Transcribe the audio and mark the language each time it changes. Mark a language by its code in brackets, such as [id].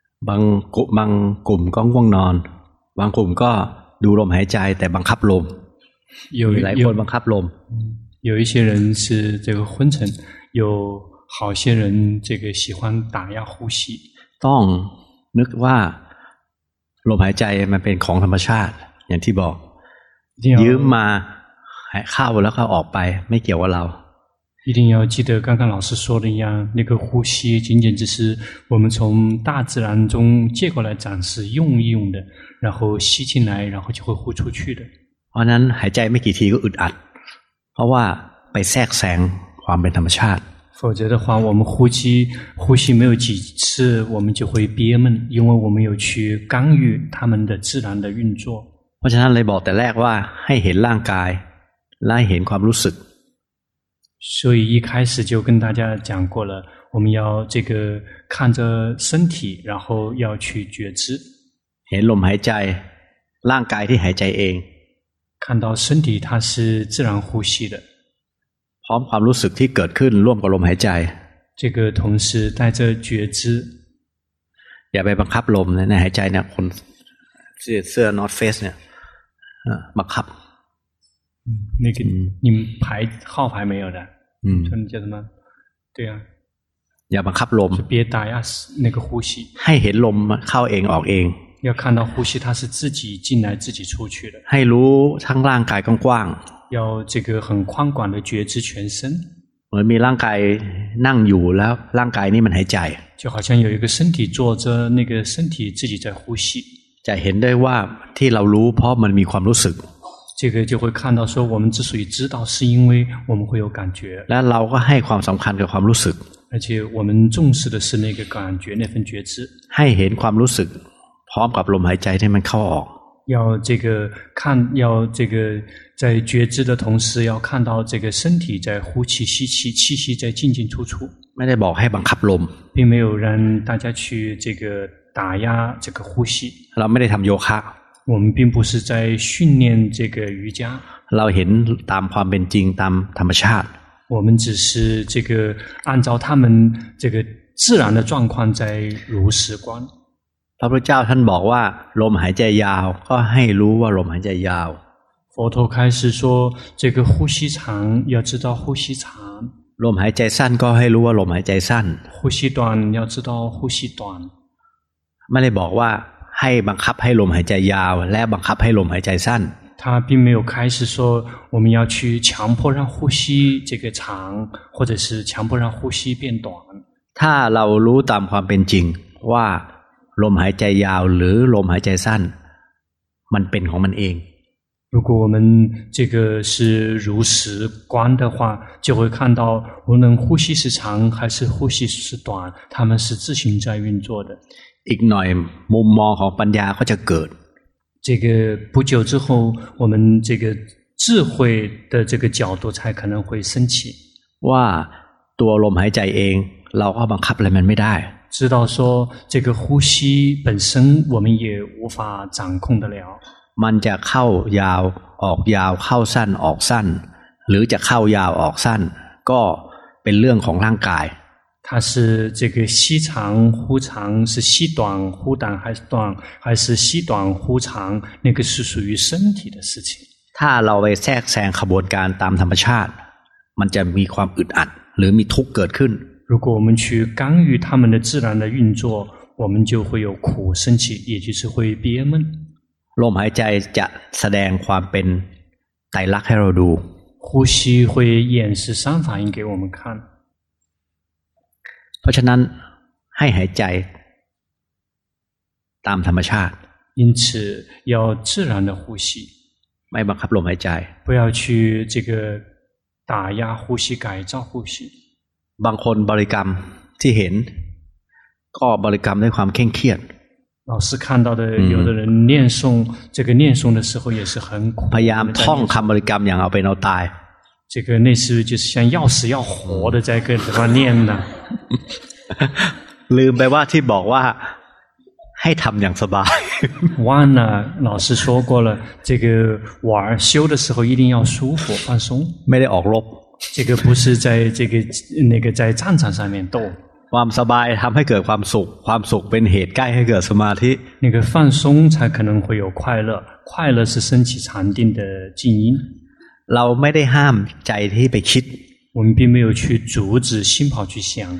[th] บางกลุ่มก็ง่วงนอนบางกลุ่มก็ดูลมหายใจแต่บังคับลมหลายคนบังคับลม [zh] 有一些人是这个昏沉，有好些人这个喜欢打压呼吸。 [th] ต้องนึกว่าลมหายใจมันเป็นของธรรมชาติอย่างที่บอกยืมมาเข้าแล้วก็ออกไปไม่เกี่ยวกับเรา [zh] 一定要记得刚刚老师说的一样，那个呼吸仅仅只是我们从大自然中借过来暂时用一用的，然后吸进来，然后就会呼出去的。 [th] เพราะนั้นหายใจไม่กี่ทีก็อึดอัดเพราะว่าไปแทรกแซงความเป็นธรรมชาติ [zh] 否则的话我们呼吸没有几次我们就会憋闷因为我们有去干预他们的自然的运作 [th] เพราะฉะนั้นเลยบอกแต่แรกว่าให้เห็นร่างกายและเห็นความรู้สึก [zh] 所以一开始就跟大家讲过了我们要这个看着身体然后要去觉知 [th] เห็นลมหายใจร่างกายที่หายใจเอง คันต่อ [zh] 身体它是自然呼吸的 [th] พร้อมความรู้สึกที่เกิดขึ้นร่วมกับลมหายใจ [zh] 这个同时带着觉知 [th] ย่าไปบังคับลมนะในหายใจเนี่ยคนเสื้อ North Face เนี่ยบังคับ [zh] 那个你们排号牌没有的嗯叫什么对啊 [th] อย่าบังคับลม [zh] 别打压那个呼吸 [th] ให้เห็นลมเข้าเองออกเอง [zh] 要看到呼吸它是自己进来自己出去的 [th] ให้รู้ทั้งร่างกายกว้าง [zh] ๆ要这个很宽广的觉知全身 [th] เหมือนมีร่างกายนั่งอยู่แล้วร่างกายนี่มันหายใจ [zh] 就好像有一个身体坐着那个身体自己在呼吸 [th] จะเห็นได้ว่าที่เรารู้เพราะมันมีความรู้สึก [zh] 这个就会看到说我们之所以知道是因为我们会有感觉 [th] และเราก็ให้ความสำคัญกับความรู้สึก [zh] 而且我们重视的是那个感觉那份觉知 [th] ให้เห็นความรู้สึกพร้อมกับลมหายใจที่มันเข้าออก [zh] 要这个看要这个在觉知的同时要看到这个身体在呼气吸气气息在进进出出 [th] ไม่ได้บอกให้บังคับลม [zh] 并没有让大家去这个打压这个呼吸 [th] เราไม่ได้ทำโยคะ [zh] 我们并不是在训练这个瑜伽 [th] เราเห็นตามความเป็นจริงตามธรรมชาติ [zh] 我们只是这个按照他们这个自然的状况在如实观 [th] พระพุทธเจ้าท่านบอกว่าลมหายใจยาวก็ให้รู้ว่าลมหายใจยาว [zh] 佛陀开始说这个呼吸长要知道呼吸长 [th] ลมหายใจสั้นก็ให้รู้ว่าลมหายใจสั้น [zh] 呼吸短要知道呼吸短 [th] ไม่ได้บอกว่าให้บังคับให้ลมหายใจยาวและบังคับให้ลมหายใจสั้น [zh] 他并没有开始说我们要去强迫让呼吸这个长或者是强迫让呼吸变短 [th] ถ้าเรารู้ตามความเป็นจริงว่าลมหายใจยาวหรือลมหายใจสั้นมันเป็นของมันเอง [zh] 如果我们这个是如实观的话就会看到无论呼吸是长还是呼吸是短它们是自行在运作的 [th] อีกหน่อยมุมมองของปัญญาก็จะเกิด [zh] 这个不久之后我们这个智慧的这个角度才可能会升起 [th] ว่าตัวลมหายใจเองเราก็บังคับอะไรมันไม่ได้ [zh] 知道说这个呼吸本身我们也无法掌控得了 [th] มันจะเข้ายาวออกยาวเข้าสั้นออกสั้นหรือจะเข้ายาวออกสั้นก็เป็นเรื่องของร่างกาย [zh] 它是这个吸长呼长是吸短呼短还是短还是吸短呼长那个是属于身体的事情 [th] ถ้าเราไปแทรกแซงขบวนการตามธรรมชาติมันจะมีความอึดอัดหรือมีทุกข์เกิดขึ้น [zh] 如果我们去干预他们的自然的运作我们就会有苦升起也就是会憋闷 [th] ลมหายใจจะแสดงความเป็นไตรลักษณ์ให้เราดู [zh] 呼吸会演示三反应给我们看 [th] เพราะฉะนั้นให้หายใจตามธรรมชาติ [zh] 因此要自然的呼吸 [th] ไม่บังคับลมหายใจ [zh] 不要去这个打压呼吸改造呼吸 [th] บางคนบริกรรมที่เห็นก็บริกรรมด้วยความเคร่งเครียด [zh] 老师看到的有的人念诵这个念诵的时候也是很苦 [th] พยายามท่องคำบริกรรมอย่างเอาเป็นเอาตาย [zh] 这个那是就是像要死要活的在跟他念呢 [th] ลืมไปว่าที่บอกว่าให้ทำอย่างสบาย [zh] 忘了老师说过了这个玩修的时候一定要舒服放松 [th] ไม่ได้ออกรบ [zh] 这个不是在这个那个在战场上面斗 [th] ความสบายทำให้เกิดความสุขความสุขเป็นเหตุใกล้ให้เกิดสมาธิ [zh] 那个放松才可能会有快乐快乐是升起禅定的静音 [th] เราไม่ได้ห้ามใจที่ไปคิด [zh] 我们并没有去阻止心跑去想